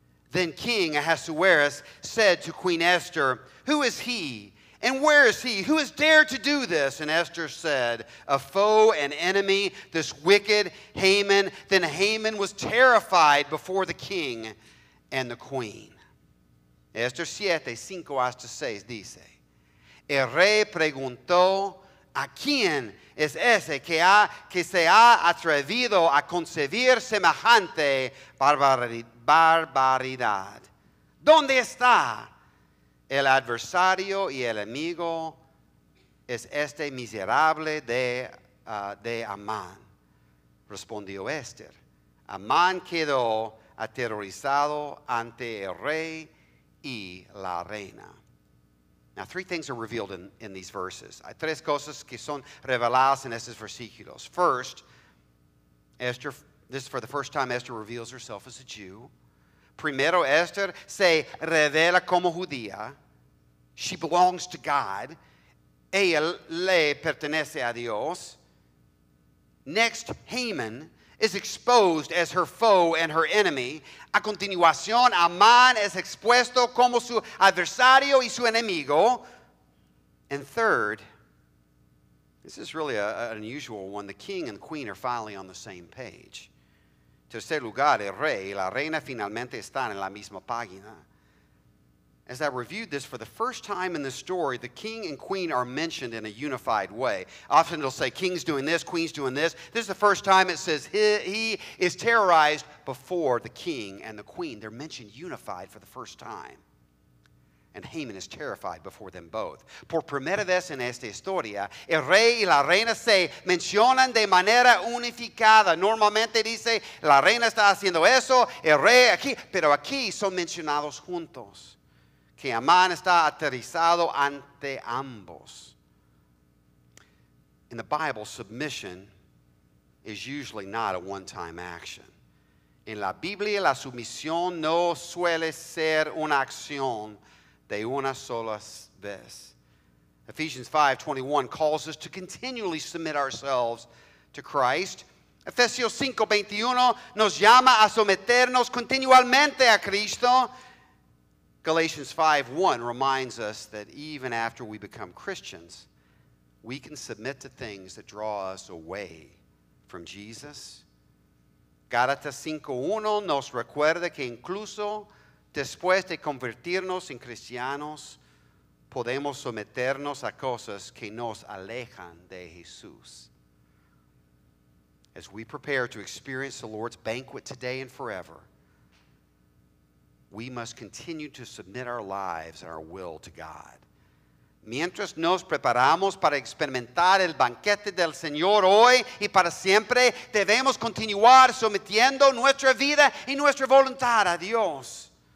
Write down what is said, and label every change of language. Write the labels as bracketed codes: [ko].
[en] Then King Ahasuerus said to Queen Esther, "Who is he And where is he? Who has dared to do this? And Esther said, a foe, an enemy, this wicked Haman. Then Haman was terrified before the king and the queen. [es] Esther 7, 5 hasta 6 dice, el rey preguntó, ¿a quién es ese que se ha atrevido a concebir semejante barbaridad? ¿Dónde está el adversario y el enemigo? ¿Es este miserable de Amán? Respondió Esther. Amán quedó aterrorizado ante el rey y la reina. [en] Now, three things are revealed in these verses. [es] Hay tres cosas que son reveladas en estos versículos. [en] First, Esther, this is for the first time Esther reveals herself as a Jew. [es] Primero, Esther se revela como judía. [en] She belongs to God. [es] Ella le pertenece a Dios. [en] Next, Haman is exposed as her foe and her enemy. [es] A continuación, Amán es expuesto como su adversario y su enemigo. [en] And third, this is really an unusual one. The king and the queen are finally on the same page. [es] Tercer lugar, el rey y la reina finalmente están en la misma página. [en] As I reviewed this, for the first time in the story, the king and queen are mentioned in a unified way. Often it'll say, king's doing this, queen's doing this. This is the first time it says, he is terrorized before the king and the queen. They're mentioned unified for the first time. And Haman is terrified before them both. [es] Por primera vez en esta historia, el rey y la reina se mencionan de manera unificada. Normalmente dice, la reina está haciendo eso, el rey aquí. Pero aquí son mencionados juntos. Que Amán está aterrizado ante ambos. [en] In the Bible, submission is usually not a one-time action. [es] En la Biblia, la sumisión no suele ser una acción de una sola vez. [en] Ephesians 5:21 calls us to continually submit ourselves to Christ. [es] Efesios 5:21 nos llama a someternos continuamente a Cristo. [en] Galatians 5:1 reminds us that even after we become Christians, we can submit to things that draw us away from Jesus. [es] Gálatas 5:1 nos recuerda que incluso después de convertirnos en cristianos, podemos someternos a cosas que nos alejan de Jesús. [en] As we prepare to experience the Lord's banquet today and forever, we must continue to submit our lives and our will to God. [es] Mientras nos preparamos para experimentar el banquete del Señor hoy y para siempre, debemos continuar sometiendo nuestra vida y nuestra voluntad a Dios.